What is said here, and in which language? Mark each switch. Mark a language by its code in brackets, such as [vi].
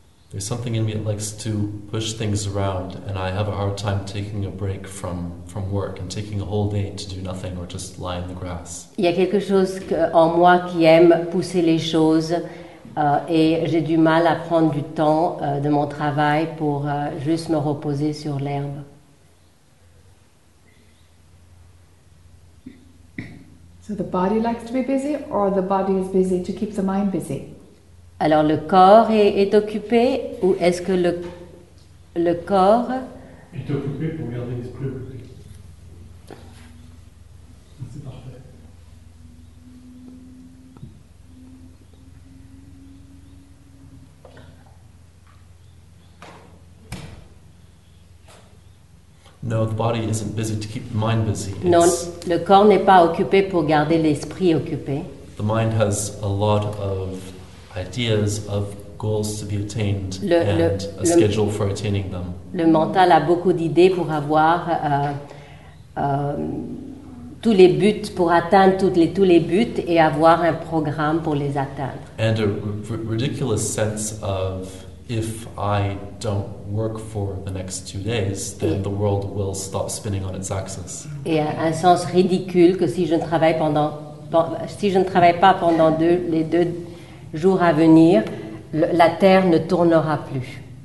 [en] There's something in me that likes to push things around, and I have a hard time taking a break from work and taking a whole day to do nothing or just lie in the grass. [fr] Il y a quelque chose en moi qui aime pousser les choses, et j'ai du mal à prendre du temps de mon travail pour juste me reposer sur l'herbe. [en] So the body likes to be busy, or the body is busy to keep the mind busy. [fr] Alors le corps est occupé, ou est-ce que le corps est occupé pour garder l'esprit occupé. C'est parfait. [en] No, the body isn't busy to keep the mind busy. [fr] Non, le corps n'est pas occupé pour garder l'esprit occupé. [en] The mind has a lot of ideas of goals to be attained and a schedule for attaining them. [fr] Le mental a beaucoup d'idées pour avoir tous les buts, pour atteindre tous les buts et avoir un programme pour les atteindre. [en] And a ridiculous sense of if I don't work for the next 2 days, then the world will stop spinning on its axis. [fr] Et un sens ridicule que si je ne travaille pas pendant les deux jour à venir, la Terre ne tournera plus.